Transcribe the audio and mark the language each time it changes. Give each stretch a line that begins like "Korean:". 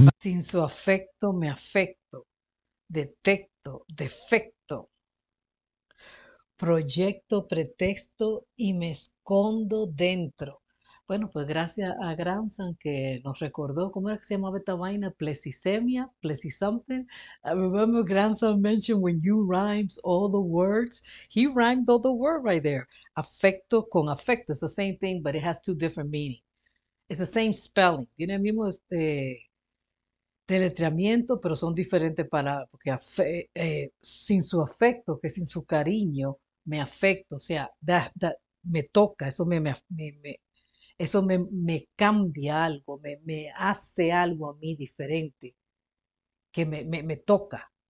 Spanish: Sin su afecto, me afecto, detecto defecto, proyecto pretexto y me escondo dentro. Bueno, pues gracias a Gramsan que nos recordó, ¿cómo era que se llamaba esta vaina? Plesisemia, plesisomething.
English: I remember Gramsan mentioned when you rhymes all the words. He rhymed all the word right there. Afecto con afecto. It's the same thing, but it has two different meanings. It's the same spelling.
Spanish: Tiene el mismo deletreamiento, pero son diferentes palabras. Porque sin su afecto, que sin su cariño, me afecto. O sea, me toca, eso me cambia algo, me hace algo a mí diferente, que me toca.